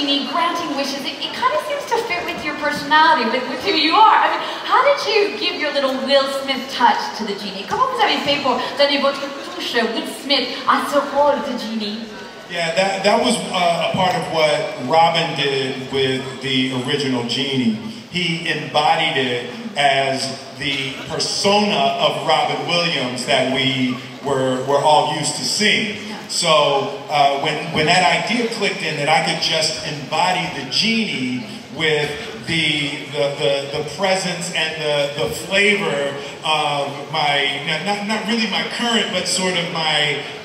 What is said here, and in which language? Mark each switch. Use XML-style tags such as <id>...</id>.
<en>Granting wishes, it kind of seems to fit with your personality, with who you are. I mean, how did you give your little Will Smith touch to the genie?</en> <fr>Comment vous avez fait pour donner votre touche, Will Smith, à ce rôle de genie?</fr> <en>Yeah, that was a part of what Robin did with the original genie. He embodied it as the persona of Robin Williams that we were all used to seeing. So when that idea clicked in that I could just embody the genie with the presence and the flavor of my not really my current but sort of my</en>